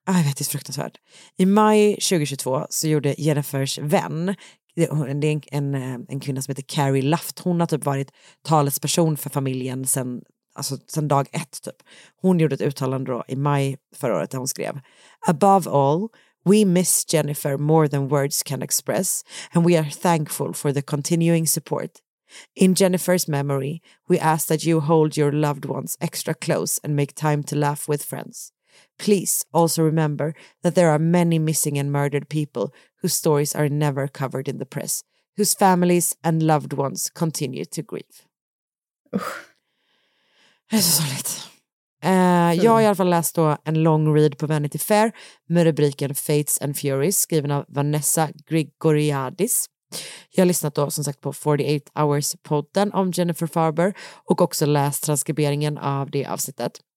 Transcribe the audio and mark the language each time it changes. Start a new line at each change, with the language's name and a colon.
Swedish: Jag vet, det är fruktansvärt. I maj 2022 så gjorde Jennifers vän, det är en kvinna som heter Carrie Luft, hon har typ varit talesperson för familjen sen, alltså sen dag ett typ. Hon gjorde ett uttalande då i maj förra året där hon skrev:
English: "Above all, we miss Jennifer more than words can express, and we are thankful for the continuing support. In Jennifer's memory, we ask that you hold your loved ones extra close and make time to laugh with friends. Please also remember that there are many missing and murdered people whose stories are never covered in the press, whose families and loved ones continue to grieve."
Swedish: Det är så sorgligt. Jag har i alla fall läst då en long read på Vanity Fair med rubriken Fates and Furies, skriven av Vanessa Grigoriadis. Jag har lyssnat då som sagt på 48 Hours-podden om Jennifer Farber och också läst transkriberingen av det avsnittet.